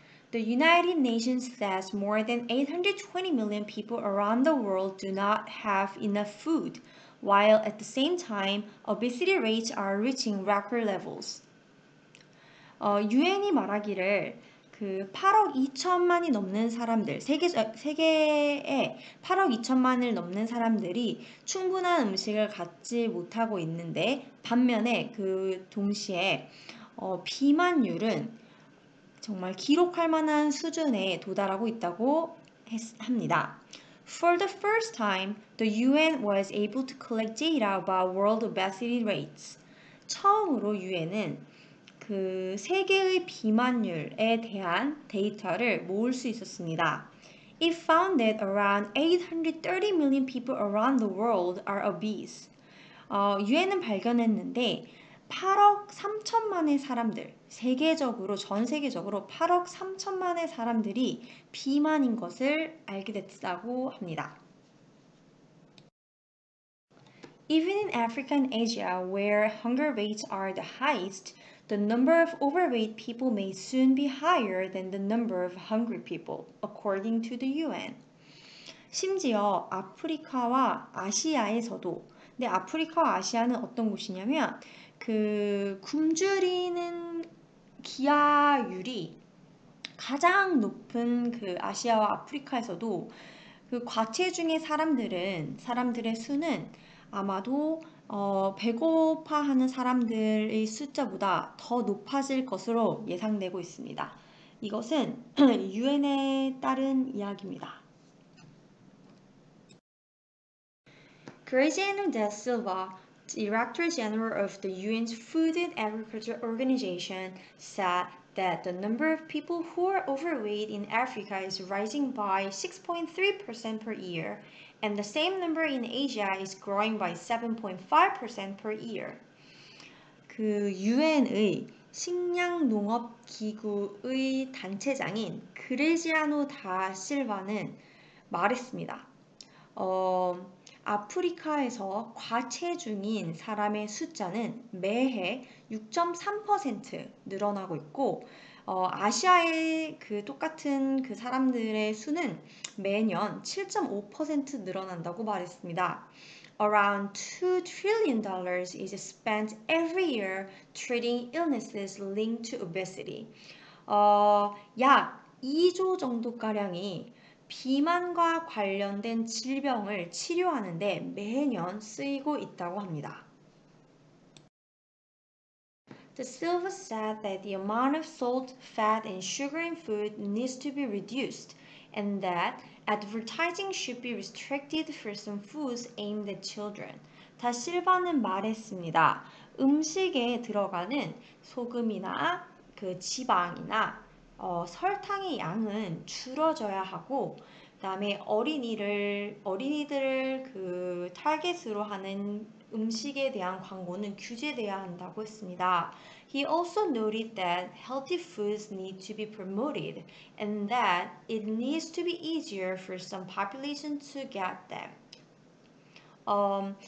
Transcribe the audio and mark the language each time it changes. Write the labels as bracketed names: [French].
[English] The United Nations says more than 820 million people around the world do not have enough food, while at the same time, obesity rates are reaching record levels. [Korean] UN이 말하기를 8억 2천만이 넘는 사람들, 세계에 8억 2천만을 넘는 사람들이 충분한 음식을 갖지 못하고 있는데, 반면에 그 동시에 비만율은 정말 기록할 만한 수준에 도달하고 있다고 합니다. [English] For the first time, the UN was able to collect data about world obesity rates. [Korean] 처음으로 UN은 그 세계의 비만율에 대한 데이터를 모을 수 있었습니다. [English] It found that around 830 million people around the world are obese. [Korean] UN은 발견했는데 8억 3천만의 사람들, 세계적으로, 전 세계적으로 8억 3천만의 사람들이 비만인 것을 알게 됐다고 합니다. [English] Even in Africa and Asia, where hunger rates are the highest, the number of overweight people may soon be higher than the number of hungry people, according to the UN. [Korean] 심지어 아프리카와 아시아에서도, 근데 아프리카와 아시아는 어떤 곳이냐면, 그 굶주리는 기아율이 가장 높은 그 아시아와 아프리카에서도 그 과체중의 사람들의 수는 아마도 배고파하는 사람들의 숫자보다 더 높아질 것으로 예상되고 있습니다. 이것은 UN에 따른 이야기입니다. [English] Graziano da Silva, Director General of the UN's Food and Agriculture Organization, said that the number of people who are overweight in Africa is rising by 6.3% per year, and the same number in Asia is growing by 7.5% per year. [Korean] 그 UN의 식량농업기구의 단체장인 그레지아노 다 실바는 말했습니다. 아프리카에서 과체중인 사람의 숫자는 매해 6.3% 늘어나고 있고 아시아의 그 똑같은 그 사람들의 수는 매년 7.5% 늘어난다고 말했습니다. [English] Around $2 trillion is spent every year treating illnesses linked to obesity. [Korean] 약 2조 정도가량이 비만과 관련된 질병을 치료하는 데 매년 쓰이고 있다고 합니다. [English] The Silva said that the amount of salt, fat, and sugar in food needs to be reduced, and that advertising should be restricted for some foods aimed at children. [Korean] 다 실바는 말했습니다. 음식에 들어가는 소금이나 그 지방이나 설탕의 양은 줄어져야 하고, 그다음에 어린이들을 그 타겟으로 하는 음식에 대한 광고는 규제돼야 한다고 했습니다. [English] He also noted that healthy foods need to be promoted and that it needs to be easier for some population to get them.